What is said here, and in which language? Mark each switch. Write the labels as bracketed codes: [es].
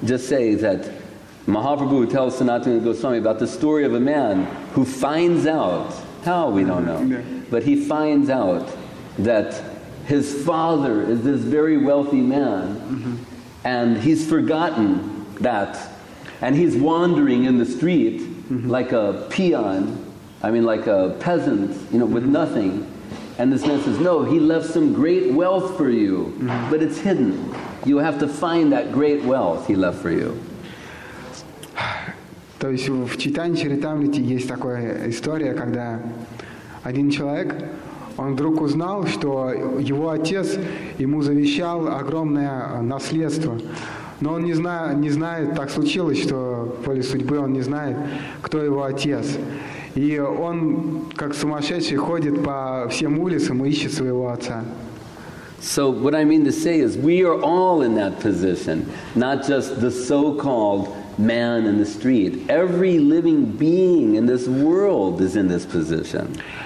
[en] Just say that Mahaprabhu tells Sanatana Goswami about the story of a man who finds out, how we don't know, but he finds out that his father is this very wealthy man, and he's forgotten that, and he's wandering in the street like a peon, I mean like a peasant, you know, with nothing. And this man says, no, he left some great wealth for you, but it's hidden. You have to find that great wealth he left for you. [ru] То есть в Чайтанья Чаритамрите есть такая история, когда один человек, он вдруг узнал, что его отец ему завещал огромное наследство. Но он не знает, так случилось, что воле судьбы он не знает, кто его отец. И он, как сумасшедший, ходит по всем улицам и ищет своего отца. [en] So what I mean to say is we are all in that position, not just the so-called man in the street. Every living being in this world is in this position.